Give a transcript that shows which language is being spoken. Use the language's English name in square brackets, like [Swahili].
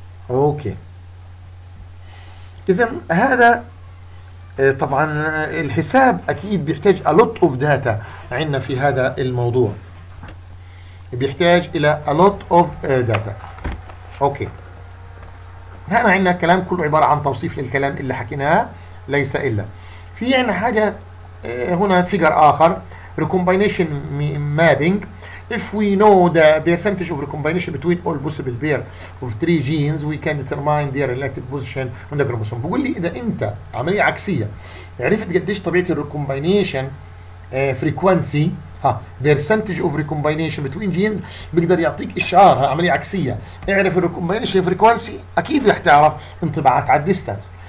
[Arabic] اوكي، اذا هذا طبعا الحساب اكيد بيحتاج [English] a lot of data [Arabic] عندنا في هذا الموضوع، بيحتاج الى a lot of data. اوكي، هنا عندنا كلام كله عباره عن توصيف للكلام اللي حكيناه ليس الا. في عندنا حاجة هنا فيجر آخر recombination mapping. [English] If we know the percentage of recombination between all possible pair of three genes we can determine their relative position on the chromosome. [Arabic] بقول لي إذا أنت عملية عكسية عرفت قديش طبيعة recombination frequency [English] percentage of recombination between genes، [Arabic] بيقدر يعطيك إشعار، عملية عكسية، اعرف recombination frequency أكيد رح تعرف انطباعات على الديستانس.